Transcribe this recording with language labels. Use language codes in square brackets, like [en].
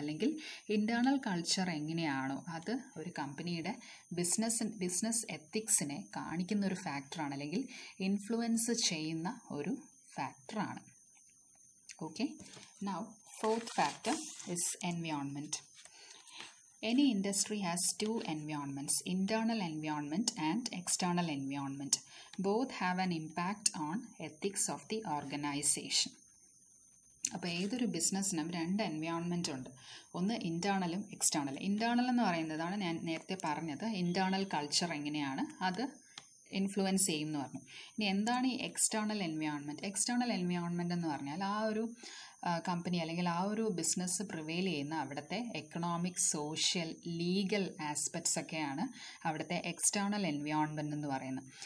[ml] അല്ലെങ്കിൽ internal culture എങ്ങനെയാണോ അത് ഒരു കമ്പനിയുടെ ബിസിനസ് എത്തിക്സിനെ കാണിക്കുന്ന ഒരു ഫാക്ടറാണ്, അല്ലെങ്കിൽ ഇൻഫ്ലുവൻസ് ചെയ്യുന്ന ഒരു ഫാക്ടറാണ്. [en] Okay, now fourth factor is environment. Any industry has two environments, internal environment and external environment. Both have an impact on ethics of the organization. [ml] അപ്പോൾ ഏതൊരു ബിസിനസ്സിനും രണ്ട് എൻവയോൺമെൻ്റ് ഉണ്ട്, ഒന്ന് ഇൻറ്റേർണലും എക്സ്റ്റേണലും. ഇൻറ്റേർണൽ എന്ന് പറയുന്നതാണ് ഞാൻ നേരത്തെ പറഞ്ഞത്, ഇൻറ്റേർണൽ കൾച്ചർ എങ്ങനെയാണ് അത് ഇൻഫ്ലുവൻസ് ചെയ്യുമെന്ന് പറഞ്ഞു. ഇനി എന്താണ് ഈ എക്സ്റ്റേണൽ എൻവയോൺമെൻറ്റ്? എക്സ്റ്റേണൽ എൻവയോൺമെൻ്റ് എന്ന് പറഞ്ഞാൽ ആ ഒരു കമ്പനി അല്ലെങ്കിൽ ആ ഒരു ബിസിനസ് പ്രിവെയിൽ ചെയ്യുന്ന അവിടുത്തെ എക്കണോമിക്, സോഷ്യൽ, ലീഗൽ ആസ്പെക്ട്സ് ഒക്കെയാണ് അവിടുത്തെ എക്സ്റ്റേണൽ എൻവയോൺമെൻ്റ് എന്ന് പറയുന്നത്.